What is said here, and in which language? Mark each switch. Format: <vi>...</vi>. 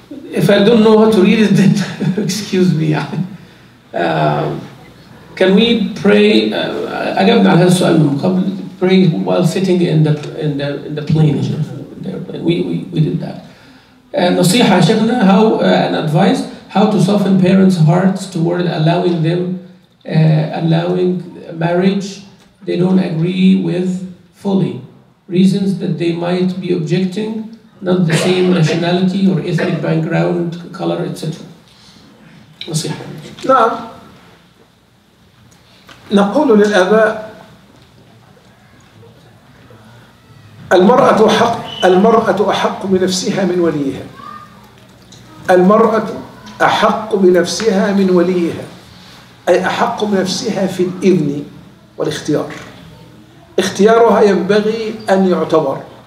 <en>If I don't know how to read it, then excuse me. Can we pray?</en> <ar>أجبنا على هذا السؤال من قبل.</ar> <en>Pray while sitting in the plane. We did that.</en> <ar>نصيحة شيخنا.</ar> <en>How an advice? How to soften parents' hearts toward allowing them allowing marriage they don't agree with fully? Reasons that they might be objecting, not the same nationality or ethnic background, color, etc.</en> <ar>نصيحة. نعم. نقول للآباء المرأة أحق بنفسها من وليها. المرأة أحق بنفسها من وليها، أي أحق بنفسها في الإذن والاختيار. اختيارها ينبغي أن يعتبر،</ar>